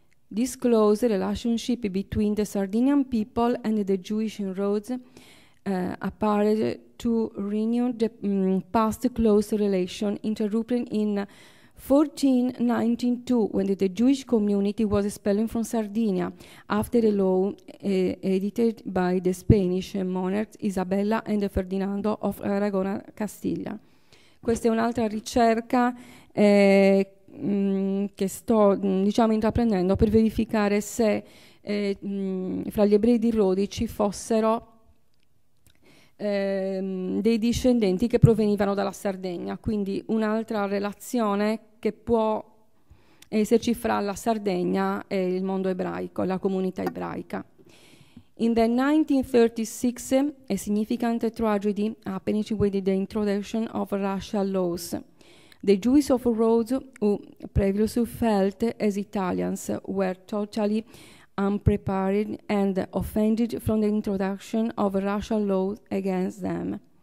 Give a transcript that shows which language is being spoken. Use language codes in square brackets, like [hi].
[en] This close relationship between the Sardinian people and the Jewish in Rhodes appeared to renew the past close relation, interrupted in 1492 when the Jewish community was expelled from Sardinia after a law edited by the Spanish monarchs Isabella and Ferdinando of Aragon and Castilla. [it] Questa è un'altra ricerca che sto diciamo intraprendendo per verificare se fra gli ebrei di Rodi ci fossero dei discendenti che provenivano dalla Sardegna, quindi un'altra relazione che può esserci fra la Sardegna e il mondo ebraico, la comunità ebraica. [en] In the 1936, a significant tragedy happened with the introduction of racial laws. The Jews of Rhodes, who previously felt as Italians, were totally unprepared and offended from the introduction of racial laws against them.